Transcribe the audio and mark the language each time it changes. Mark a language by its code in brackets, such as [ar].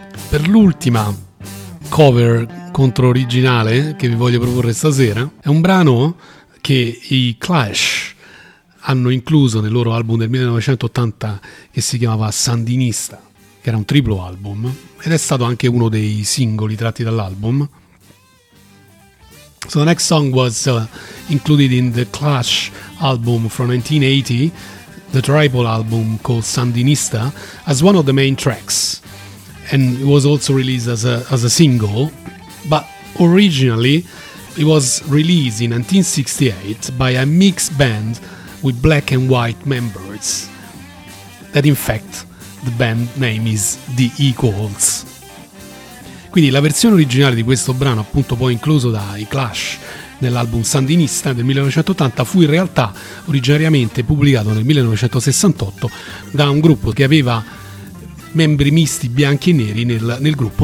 [it] Per l'ultima cover contro originale che vi voglio proporre stasera è un brano che i Clash hanno incluso nel loro album del 1980 che si chiamava Sandinista, che era un triplo album ed è stato anche uno dei singoli tratti dall'album. [en] So the next song was included in the Clash album from 1980, the triple album called Sandinista, as one of the main tracks. And it was also released as a single, but originally it was released in 1968 by a mixed band with black and white members. That in fact, the band name is The Equals. [it] Quindi la versione originale di questo brano, appunto poi incluso dai Clash nell'album Sandinista del 1980, fu in realtà originariamente pubblicato nel 1968 da un gruppo che aveva membri misti bianchi e neri nel gruppo.